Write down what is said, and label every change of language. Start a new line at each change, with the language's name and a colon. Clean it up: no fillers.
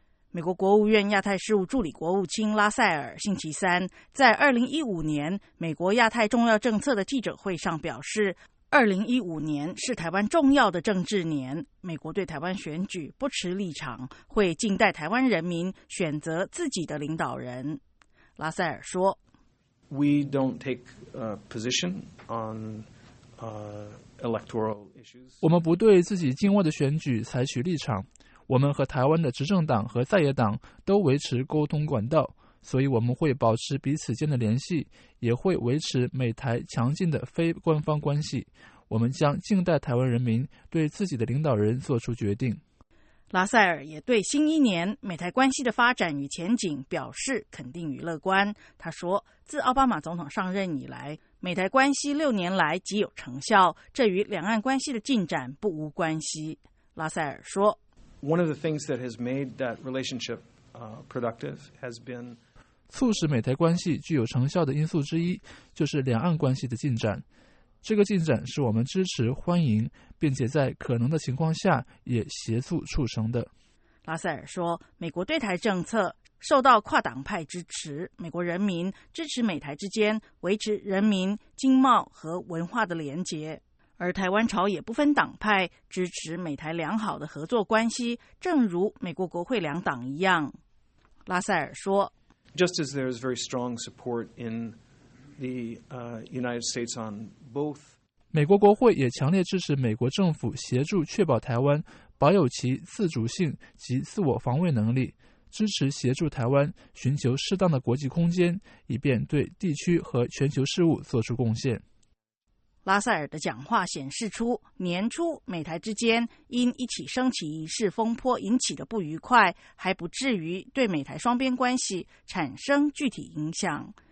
Chinese: 美国国务院亚太事务助理国务卿拉塞尔星期三在2015年美国亚太重要政策的记者会上表示，2015年是台湾重要的政治年，美国对台湾选举不持立场，会静待台湾人民选择自己的领导人。拉塞尔说，
English: We don't take a position on electoral issues.
Chinese: 我们不对自己境外的选举采取立场，我们和台湾的执政党和在野党都维持沟通管道，所以我们会保持彼此间的联系，也会维持美台强劲的非官方关系。我们将静待台湾人民对自己的领导人做出决定。拉塞尔也对新一年美台关系的发展与前景表示肯定与乐观。他说，自奥巴马总统上任以来，美台关系6年来极有成效，这与两岸关系的进展不无关系。拉塞尔说，
English: One of the things that has made that relationship productive has been
Chinese: 促使美台关系具有成效的因素之一就是两岸关系的进展。这个进展是我们支持欢迎并且在可能的情况下也协助促成的。拉塞尔说，美国对台政策受到跨党派支持，美国人民支持美台之间维持人民经贸和文化的连结，而台湾朝野不分党派支持美台良好的合作关系，正如美国国会两党一样。拉塞尔说，
English: Just as there is very strong support in the United States on both，
Chinese: 美国国会也强烈支持美国政府协助确保台湾保有其自主性及自我防卫能力，支持协助台湾寻求适当的国际空间，以便对地区和全球事务做出贡献。拉塞尔的讲话显示出，年初美台之间因一起升旗仪式风波引起的不愉快，还不至于对美台双边关系产生具体影响。